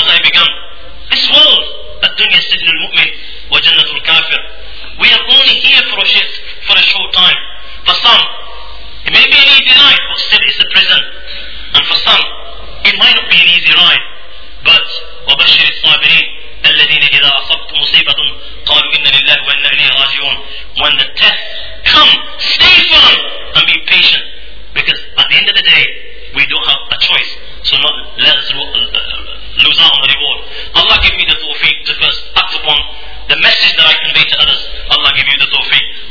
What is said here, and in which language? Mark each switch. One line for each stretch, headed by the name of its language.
English: begun. This world, that dunya
Arabic: sijnul mu'min wa jannatul kafir.
English: We are only here for a short time. For some, it may be an easy ride, but still it's a prison. And for some, it might not be an easy ride. But
Arabic: وبشر الصابرين الذين إذا أصبتم مصيبة قالوا إن لله وإنا إليه راجعون.
English: When the test come, stay firm and be patient, because at the end of the day we don't have a choice. So not let us lose out on the reward. Allah give me the tawfiq to first act upon the message that I convey to others. Allah give you the tawfiq.